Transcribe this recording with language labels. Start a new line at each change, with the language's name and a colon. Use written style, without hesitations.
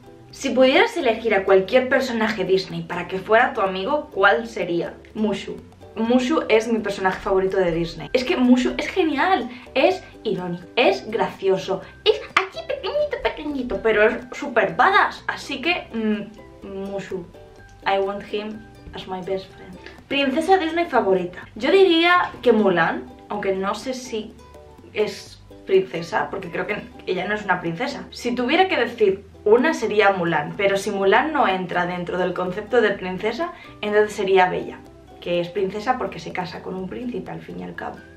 Spanish: Si pudieras elegir a cualquier personaje Disney para que fuera tu amigo, ¿cuál sería? Mushu. Mushu es mi personaje favorito de Disney. Es que Mushu es genial, es irónico, es gracioso, es aquí pequeñito, pequeñito, pero es super badass. Así que
English: Mushu, I want him as my best friend.
Spanish: Princesa Disney favorita. Yo diría que Mulan, aunque no sé si es princesa, porque creo que ella no es una princesa. Si tuviera que decir una, sería Mulan, pero si Mulan no entra dentro del concepto de princesa, entonces sería Bella, que es princesa porque se casa con un príncipe al fin y al cabo.